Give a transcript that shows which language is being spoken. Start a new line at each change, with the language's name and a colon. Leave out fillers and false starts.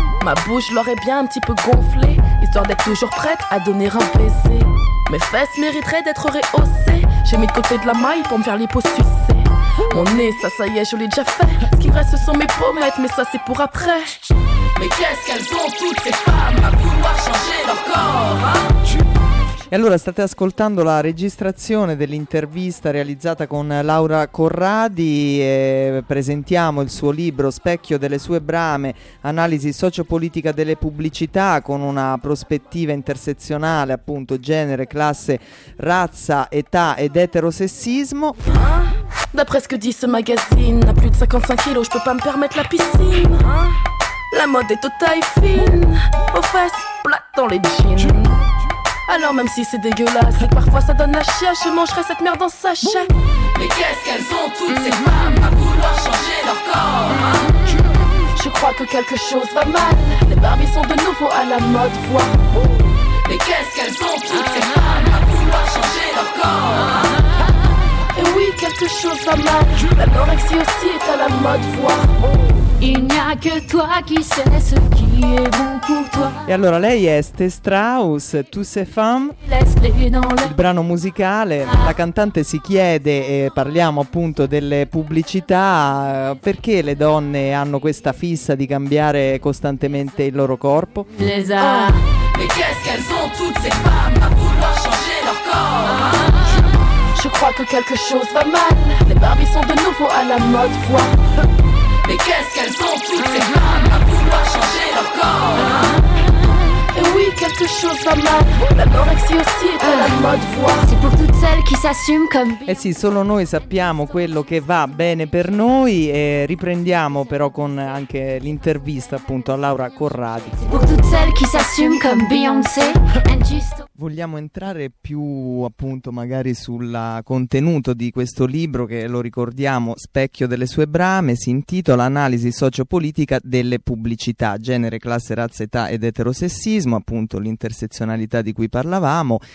French: Ma bouche l'aurait bien un petit peu gonflée, histoire d'être toujours prête à donner un baiser. Mes fesses mériteraient d'être rehaussées. J'ai mis de côté de la maille pour me faire liposucer. Mon nez, ça y est, je l'ai déjà fait. Ce qui reste sont mes pommettes, mais ça c'est pour après. Mais qu'est-ce qu'elles ont toutes ces femmes à vouloir changer leur corps, hein?
Italian: E allora state ascoltando la registrazione dell'intervista realizzata con Laura Corradi, e presentiamo il suo libro Specchio delle sue brame, analisi sociopolitica delle pubblicità con una prospettiva intersezionale, appunto genere, classe, razza, età ed eterosessismo.
French: D'après ce que dit ce magazine, a plus de 55 kg, je peux pas me permettre la piscine. La mode est aux tailles fines, aux fesses plates dans les jeans. Alors même si c'est dégueulasse et que parfois ça donne la chiasse, je mangerai cette merde en sachet. Mais qu'est-ce qu'elles ont toutes ces femmes à vouloir changer leur corps, hein? Je crois que quelque chose va mal. Les Barbies sont de nouveau à la mode, voix. Mais qu'est-ce qu'elles ont toutes ces femmes à vouloir changer leur corps, hein? Et oui, quelque chose va mal. L'anorexie aussi est à la mode, voix. Il n'y a che toi qui sais ce qui est bon pour toi.
Italian: E allora lei è Esté Strauss, Tous ces femmes, il brano musicale. La cantante si chiede, e parliamo appunto delle pubblicità, perché le donne hanno questa fissa di cambiare costantemente il loro corpo.
French: Les Mais qu'est-ce qu'elles ont toutes ces femmes à vouloir changer leur corps? Je crois que quelque chose va mal. Les Barbies sont de nouveau à la mode, vois. Mais qu'est-ce qu'elles ont toutes ces femmes à vouloir changer leur corps? Et oui, quelque chose va mal. L'anorexie aussi est à la mode, vois. C'est pour toutes celles qui s'assument comme.
Italian: Eh sì, solo noi sappiamo quello che va bene per noi. E riprendiamo però con anche l'intervista appunto a Laura Corradi.
French: Qui s'assume comme Beyoncé.
Italian: Vogliamo entrare più appunto magari sul contenuto di questo libro, che lo ricordiamo, Specchio delle sue brame, si intitola Analisi sociopolitica delle pubblicità, genere, classe, razza, età ed eterosessismo, appunto l'intersezionalità di cui parlavamo.